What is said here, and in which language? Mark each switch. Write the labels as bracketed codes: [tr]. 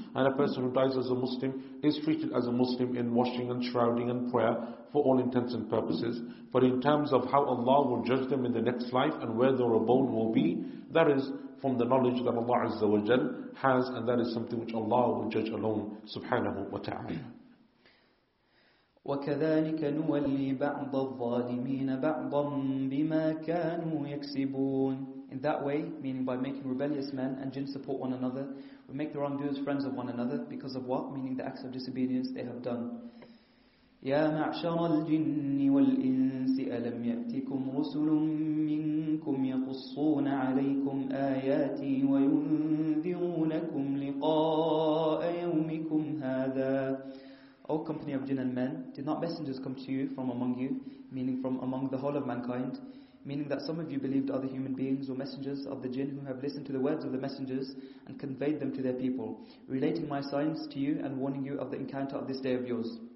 [en] And a person who dies as a Muslim is treated as a Muslim in washing and shrouding and prayer for all intents and purposes. But in terms of how Allah will judge them in the next life and where their abode will be, that is from the knowledge that Allah Azza wa Jal has, and that is something which Allah will judge alone, subhanahu wa ta'ala. [ar] وكذلك نولي بعض الظالمين بعضا بما كانوا يكسبون. [en] In that way, meaning by making rebellious men and jinn support one another, we make the wrongdoers friends of one another because of what? Meaning the acts of disobedience they have done. [ar] يا معشر الجن والإنس ألم يأتكم رسل منكم يقصون عليكم آياتي وينذرونكم لقاء يومكم هذا. [en] O company of jinn and men, did not messengers come to you from among you, meaning from among the whole of mankind, meaning that some of you believed other human beings or messengers of the jinn who have listened to the words of the messengers and conveyed them to their people, relating my signs to you and warning you of the encounter of this day of yours.